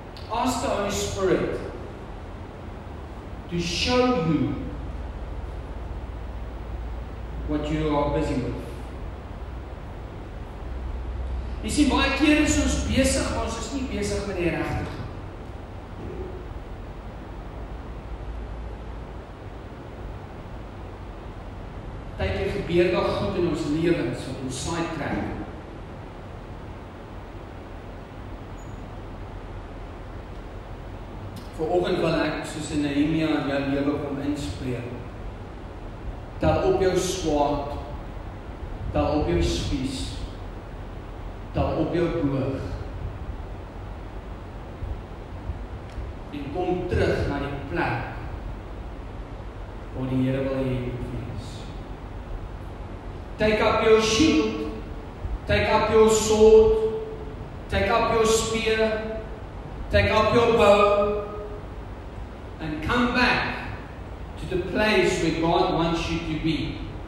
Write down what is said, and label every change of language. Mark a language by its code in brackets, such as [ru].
[en] Ask the Holy Spirit to show you what you are busy with. [af] Jy sien, baie keer is ons besig, maar ons is nie besig met die regte goed. Tyd hier gebeur daar goed in ons lewens wat ons sidetrack. Vanoggend wil ek, soos in Nehemia, in jou lewe kom inspreek. Tel op jou swaard, tel op jou spies, tel op jou boog, en kom terug na die plek waar die Here wil hê jy moet wees. [en] Take up your shield, take up your sword, take up your spear, take up your bow, and come back to the place where God wants you to be.